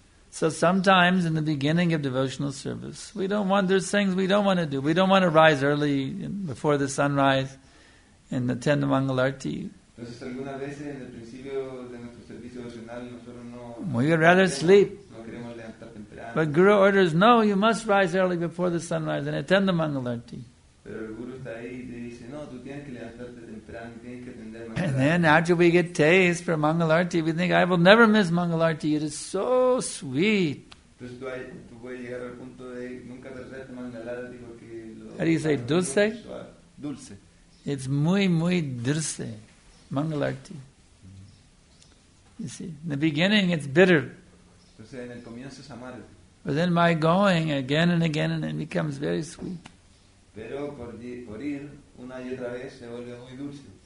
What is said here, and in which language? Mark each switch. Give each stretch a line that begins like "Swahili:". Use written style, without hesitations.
English: So sometimes, in the beginning of devotional service, we don't want, there's things we don't want to do. We don't want to rise early before the sunrise and attend the Mangalarti.
Spanish: Entonces, algunas veces en el principio de nuestro servicio devocional nosotros no.
English: We would rather sleep.
Spanish: No queremos levantar temprano.
English: But Guru orders, no, you must rise early before the sunrise and attend the Mangalarti.
Spanish: Pero el Guru está ahí y te dice, no, tú tienes que levantarte temprano, tienes que atender Mangalarti.
English: And then after we get taste for Mangalarti, we think, I will never miss Mangalarti. It is so sweet.
Spanish: Entonces tú puedes llegar al punto de nunca perderte Mangalarti porque lo.
English: How do you say dulce?
Spanish: Dulce.
English: It's
Spanish: muy muy dulce.
English: Mangalarti. You see, in the beginning it's bitter.
Spanish: Entonces, en el comienzo es amargo.
English: But then by going again and again and it becomes very sweet.
Spanish: Pero por ir una y otra vez se vuelve muy dulce.